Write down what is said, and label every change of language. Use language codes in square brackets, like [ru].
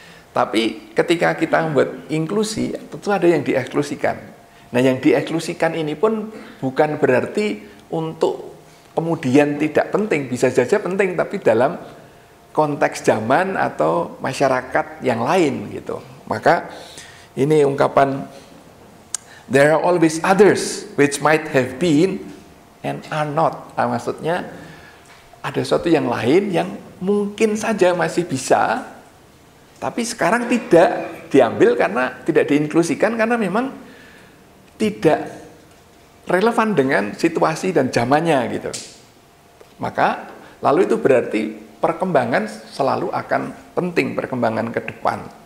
[id] Tapi ketika kita membuat inklusi, tentu ada yang dieksklusikan. Nah, yang dieksklusikan ini pun bukan berarti untuk kemudian tidak penting, bisa saja penting, tapi dalam konteks zaman atau masyarakat yang lain gitu. Maka ini ungkapan, [en] there are always others which might have been and are not. [id] Nah, maksudnya ada suatu yang lain yang mungkin saja masih bisa, tapi sekarang tidak diambil karena tidak diinklusikan karena memang tidak relevan dengan situasi dan zamannya gitu. Maka lalu itu berarti perkembangan selalu akan penting, perkembangan ke depan.